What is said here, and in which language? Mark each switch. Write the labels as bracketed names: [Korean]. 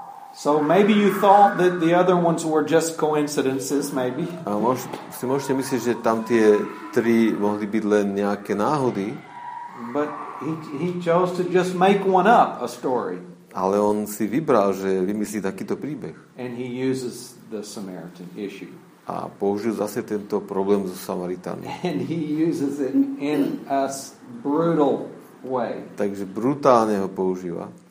[English] So maybe you thought that the other ones were just coincidences, maybe. [Slovak] A si môžete myslieť, že tam tie tri mohli byť len nejaké náhody. [English] But he chose to just make one up, a story. [Slovak] Ale on si vybral, že vymyslí takýto príbeh. [English] And he uses the Samaritan issue. [Slovak] A použil zase tento problém so Samaritánmi. [English] And he uses it in a brutal way. [Slovak] Takže brutálne ho používa.